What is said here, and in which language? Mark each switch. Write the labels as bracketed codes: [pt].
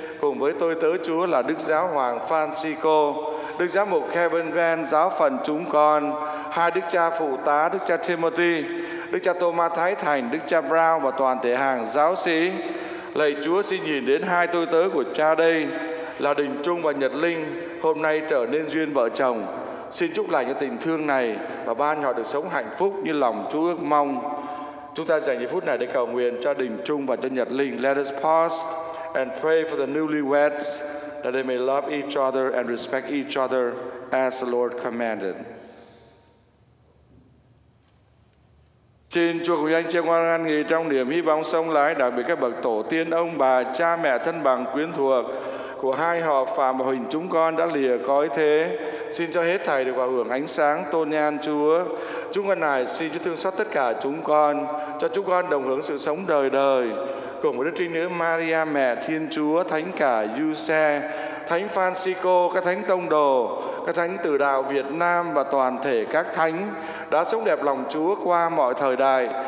[vi] Cùng với tôi tớ Chúa là Đức Giáo Hoàng Francisco, Đức Giám mục Kevin Van giáo phận chúng con, hai Đức Cha phụ tá Đức Cha Timothy, Đức Cha Thomas Thái Thành, Đức Cha Brown và toàn thể hàng giáo sĩ. Lạy Chúa, xin nhìn đến hai tôi tớ của Cha đây là Đình Trung và Nhật Linh, hôm nay trở nên duyên vợ chồng. Xin chúc lành cho tình thương này và ban họ được sống hạnh phúc như lòng Chúa ước mong. Chúng ta dành những phút này để cầu nguyện cho Đình Trung và cho Nhật Linh. [en] Let us pause and pray for the newlyweds that they may love each other and respect each other as the Lord commanded. [vi] Xin Chúa cùng anh chị em ngoan ngoãn nghỉ trong niềm hy vọng sông lái, đặc biệt các bậc tổ tiên, ông bà, cha mẹ thân bằng quyến thuộc của hai họ Phạm và Huỳnh chúng con đã lìa cõi thế. Xin cho hết thảy được hòa hưởng ánh sáng tôn nhan Chúa. Chúng con này xin Chúa thương xót tất cả chúng con, cho chúng con đồng hưởng sự sống đời đời cùng với Đức Trinh Nữ Maria Mẹ Thiên Chúa, Thánh cả Giuse, Thánh Phanxicô, các Thánh Tông Đồ, các Thánh Tử Đạo Việt Nam và toàn thể các Thánh đã sống đẹp lòng Chúa qua mọi thời đại.